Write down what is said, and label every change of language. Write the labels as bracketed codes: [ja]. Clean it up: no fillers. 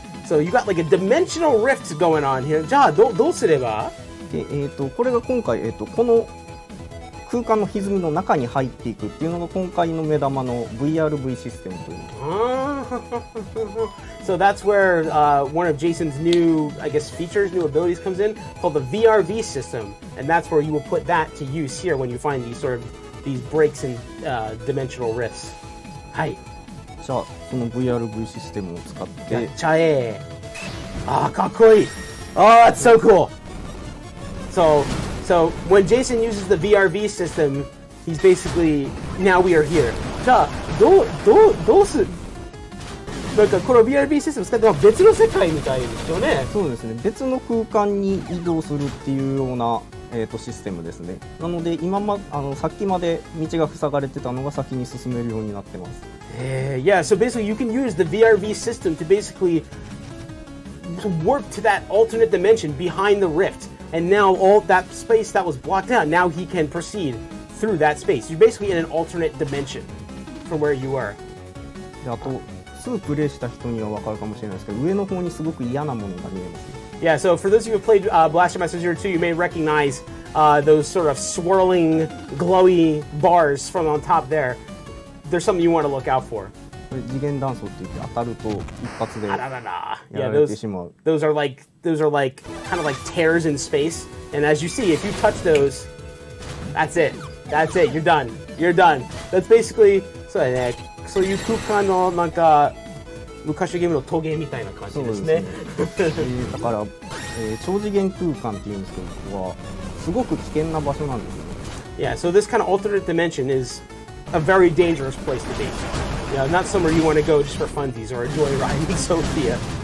[en] So you got like a dimensional rift going on here. [ja] じゃあどうすれば？これが今回この空間の歪みの中に入っていくっていうのが今回の目玉の VRV システムという。 [en] So that's where one of Jason's new, I guess, features, new abilities comes in, called the VRV system. And that's where you will put that to use here when you find these sort of these breaks in dimensional rifts. [ja] はい。じゃあこの VRV システムを使ってやっちゃえ。ああかっこいい。ああ、 [en] it's so cool. So when Jason uses the VRV system, he's basically now we are here. [ja] じゃあどうするなんかこの VRV システム使って別の世界みたいですよね。そうですね。別の空間に移動するっていうようなシステムですね。なので今まさっきまで道が塞がれてたのが先に進めるようになってます。 [en] Yeah, so basically you can use the VRV system to basically warp to that alternate dimension behind the rift. And now all that space that was blocked out, now he can proceed through that space. You're basically in an alternate dimension from where you are. [ja] あと、すぐプレイした人には分かるかもしれないですけど、上の方にすごく嫌なものが見えます。 [en] Yeah, so for those of you who played Blaster Master Zero 2, you may recognize those sort of swirling, glowy bars from on top there. There's something you want to look out for. [ja] 次元断層って言って当たると一発でやられてしまう。 [en] Those are like kind of like tears in space. And as you see, if you touch those, that's it. You're done. That's basically [ja] そうだね。そういう空間のなんか昔のゲームのトゲみたいな感じですね。だから超次元空間っていうんですけど、ここはすごく危険な場所なんですよね。 [en] Yeah. So this kind of alternate dimension is. A very dangerous place to be. Yeah, not somewhere you want to go just for funsies or a joyride in Sophia.